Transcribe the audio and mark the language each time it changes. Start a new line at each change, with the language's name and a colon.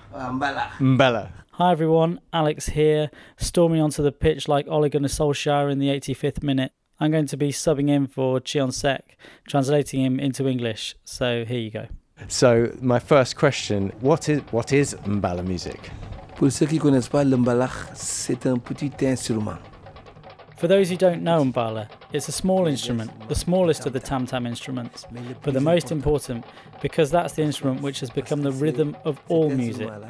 English: Mbala. Hi everyone, Alex here, storming onto the pitch like Ole Gunnar Solskjaer in the 85th minute. I'm going to be subbing in for Tion Seck, translating him into English, so here you go. So my first question, what is Mbala music?
French: Pour ceux qui connaissent pas le Mbala, c'est un petit instrument.
English: For those who don't know Mbala, it's a small instrument, the smallest of the tam-tam instruments, but the most important, because that's the instrument which has become the rhythm of all music.